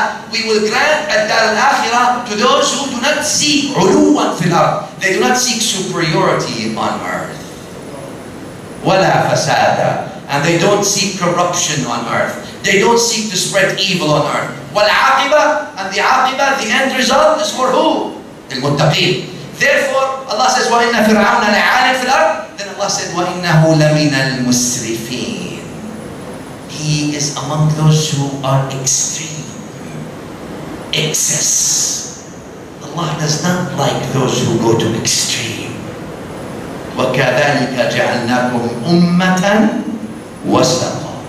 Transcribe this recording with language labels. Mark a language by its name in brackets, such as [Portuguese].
[English] We will grant [Arabic] الدار الآخرة [English] to those who do not seek [Arabic] عُلُوًا فِي الْأَرْضِ. [English] They do not seek superiority on earth. [Arabic] وَلَا فَسَادًا. [English] And they don't seek corruption on earth. They don't seek to spread evil on earth. [Arabic] وَالْعَاقِبَةِ. [English] And the عَاقِبَةِ, the end result is for who? [Arabic] الْمُتَّقِينَ. [English] Therefore, Allah says, [Arabic] وَإِنَّ فِرْعَوْنَ لَعَالٍ فِي الْأَرْضِ. [English] Then Allah said, [Arabic] وَإِنَّهُ لَمِنَ الْمُسْرِفِينَ. [English] He is among those who are extreme, excess. Allah does not like those who go to extreme. [Arabic] وكذلك جعلناكم أمة وسطا.